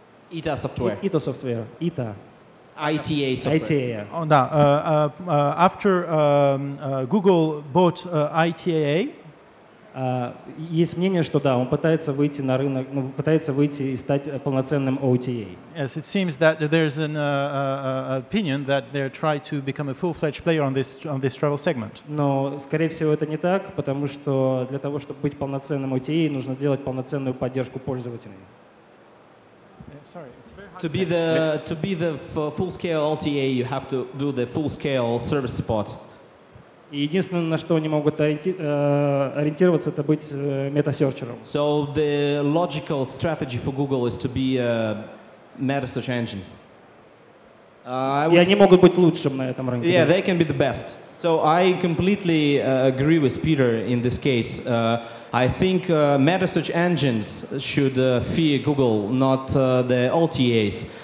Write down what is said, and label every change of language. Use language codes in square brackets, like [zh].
[en] ИТА software. ИТА software. ИТА. ITA software. ITA. Oh, no. After Google bought ITA, [ru] Есть мнение, что да, он пытается выйти на рынок, ну, пытается выйти и стать полноценным OTA. [en] Yes, it seems that there's an opinion that they're trying to become a full-fledged player on this travel segment. [ru] Но, скорее всего, это не так, потому что для того, чтобы быть полноценным OTA, нужно делать полноценную поддержку пользователей. [en] Sorry, to be the full-scale OTA, you have to do the full-scale service support. [ru] И единственное, на что они могут ориентироваться, это быть мета-серчером. [en] So the logical strategy for Google is to be a meta-search engine. [ru] И они могут быть лучшим на этом рынке. [en] Yeah, they can be the best. So I completely agree with Peter in this case. I think meta-search engines should fear Google, not the OTAs.